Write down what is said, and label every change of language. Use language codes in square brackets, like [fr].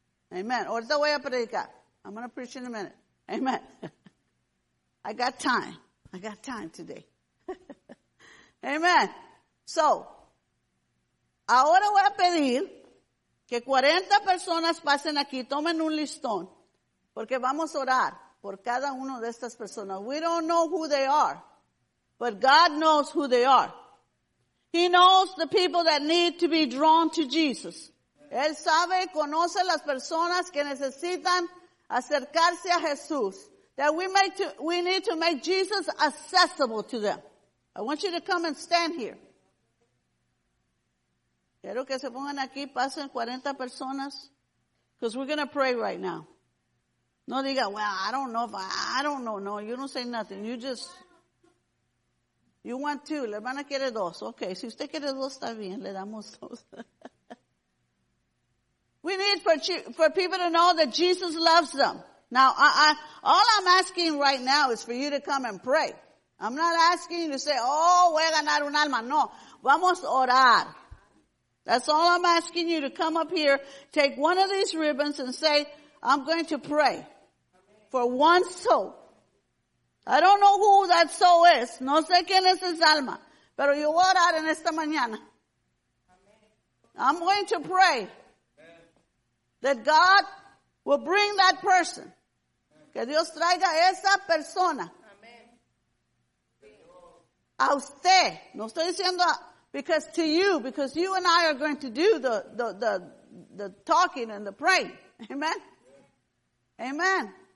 [en] Amen. [es] Ahorita voy a predicar. [en] I'm going to preach in a minute. Amen. I got time. I got time today. Amen. [es] So, ahora voy a pedir que 40 personas pasen aquí, tomen un listón, porque vamos a orar por cada uno de estas personas. [en] We don't know who they are, but God knows who they are. He knows the people that need to be drawn to Jesus. [es] Él sabe y conoce las personas que necesitan acercarse a Jesús. [en] That we need to make Jesus accessible to them. I want you to come and stand here. [es] Quiero que se pongan aquí, pasen 40 personas. [en] Because we're going to pray right now. [es] No diga, [en] well, I don't know. No, you don't say nothing. You want two. [es] La hermana quiere dos. Okay, si usted quiere dos, está bien. Le damos dos. [en] We need for people to know that Jesus loves them. Now, all I'm asking right now is for you to come and pray. I'm not asking you to say, oh, [es] voy a ganar un alma. No, vamos a orar. [en] That's all I'm asking you, to come up here, take one of these ribbons and say, I'm going to pray for one soul. I don't know who that soul is. [es] No sé quién es esa alma. Pero yo voy a orar en esta mañana. [en] I'm going to pray that God will bring that person. [es] Que Dios traiga esa persona. A usted. No estoy diciendo [en] because you and I are going to do the talking and the praying. Amen? Amen.